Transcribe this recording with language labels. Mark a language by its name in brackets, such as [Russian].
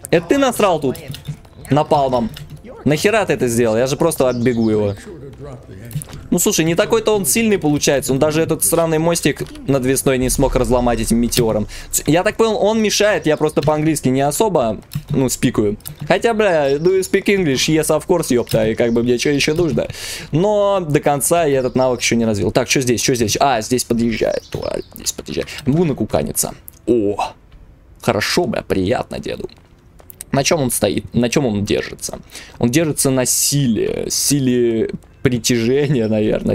[Russian] Это ты насрал тут? Напалмом. Нахера ты это сделал? Я же просто оббегу его. Ну слушай, не такой-то он сильный получается. Он даже этот сраный мостик надвесной не смог разломать этим метеором. Я так понял, он мешает. Я просто по-английски не особо, ну, спикую. Хотя, бля, [English] do you speak English? Yes, of course, [Russian] ёпта. И как бы мне что еще нужно? Но до конца я этот навык еще не развил. Так, что здесь? Что здесь? А, здесь подъезжает. О, здесь подъезжает. Буду накуканиться. О, хорошо, бля, приятно деду. На чем он стоит? На чем он держится? Он держится на силе. Силе притяжения, наверное.